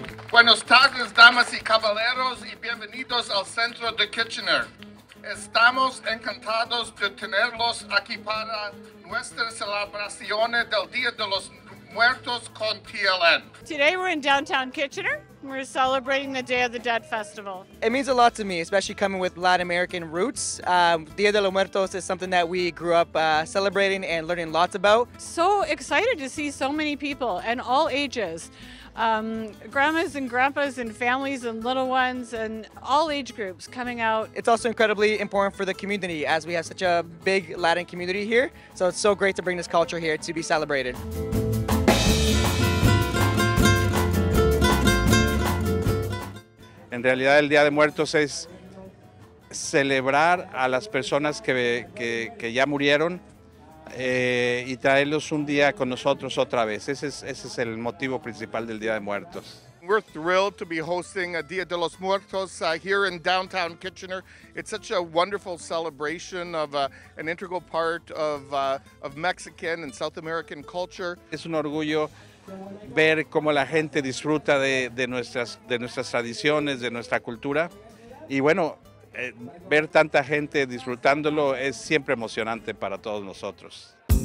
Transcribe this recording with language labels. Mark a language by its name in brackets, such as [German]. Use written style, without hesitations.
[Spanish] Buenas tardes, damas y caballeros, y bienvenidos al centro de Kitchener. Estamos encantados de tenerlos aquí para nuestras celebraciones del Día de los Muertos con TLN. [English] Today we're in downtown Kitchener. We're celebrating the Day of the Dead Festival. It means a lot to me, especially coming with Latin American roots. Día de los Muertos is something that we grew up celebrating and learning lots about. So excited to see so many people and all ages. Grandmas and grandpas and families and little ones and all age groups coming out. It's also incredibly important for the community as we have such a big Latin community here. So it's so great to bring this culture here to be celebrated. [Spanish] En realidad, el Día de Muertos es celebrar a las personas que ya murieron y traerlos un día con nosotros otra vez. Ese es el motivo principal del Día de Muertos. [English] We're thrilled to be hosting a Día de los Muertos here in downtown Kitchener. It's such a wonderful celebration of an integral part of Mexican and South American culture. [Spanish] Es un orgullo ver cómo la gente disfruta de nuestras tradiciones, de nuestra cultura. Y bueno, ver tanta gente disfrutándolo es siempre emocionante para todos nosotros.